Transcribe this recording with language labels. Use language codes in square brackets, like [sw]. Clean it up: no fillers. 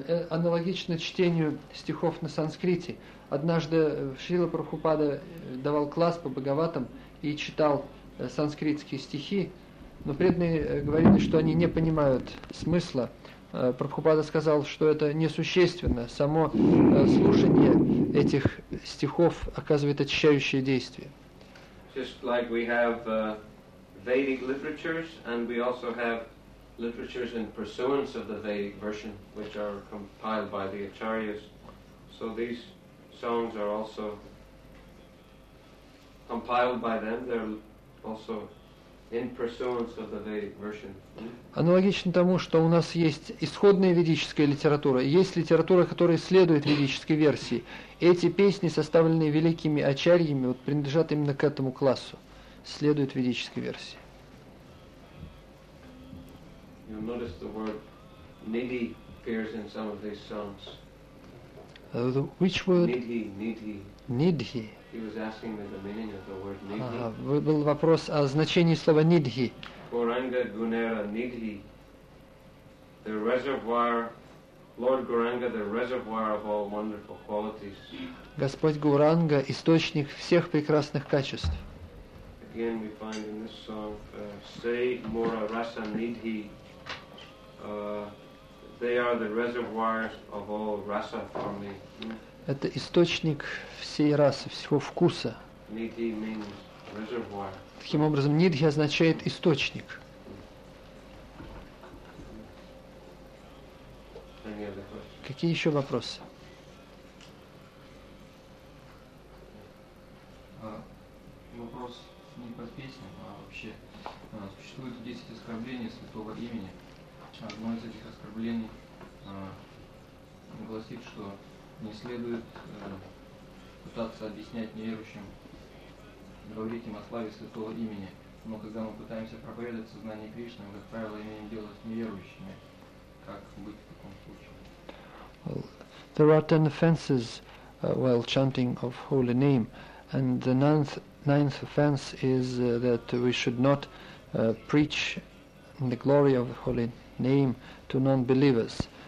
[ru] Аналогично чтению стихов на санскрите. Однажды Шрила Прабхупада давал класс по Бхагаватам и читал санскритские стихи, но преданные говорили, что они не понимают смысла. Прабхупада сказал, что это несущественно. Само слушание этих стихов оказывает очищающее действие. [en] Just like we have Vedic literatures, and we also have literatures in pursuance of the Vedic version, which are compiled by the acharyas. So these songs are also compiled by them. They're also in pursuance of the Vedic version. [ru] Аналогично тому, что у нас есть исходная ведическая литература, есть литература, которая следует ведической версии. Эти песни, составленные великими ачарьями, вот принадлежат именно к этому классу, следуют ведической версии. [en] You'll notice the word nidhi appears in some of these songs. Which word? Nidhi. Nidhi. He was asking me the meaning of the word nidhi. [ru] Был вопрос о значении слова nidhi. [bn] Gauranga Gunera Nidhi. [en] The reservoir, Lord Gauranga, the reservoir of all wonderful qualities. [ru] Господь Гуранга, источник всех прекрасных качеств. [en] Again we find in this song, [bn] Sei Mora Rasa Nidhi. [en] They are the reservoirs of all rasa for me. [ru] Это источник всей расы, всего вкуса. [en] Nidhi means reservoir. [ru] Таким образом, nidhi означает источник. Какие еще вопросы? Вопрос не по песням, а вообще существует 10 оскорблений святого имени. Одно из этих оскорблений гласит, что не следует пытаться объяснять неверующим, говорить им о славе святого имени. Но когда мы пытаемся проповедовать сознание Кришны, мы, как правило, имеем дело с неверующими. Как быть в таком случае? [en] Well, there are 10 offenses while chanting of holy name, and the ninth offense is that we should not preach the glory of the holy name to non-believers.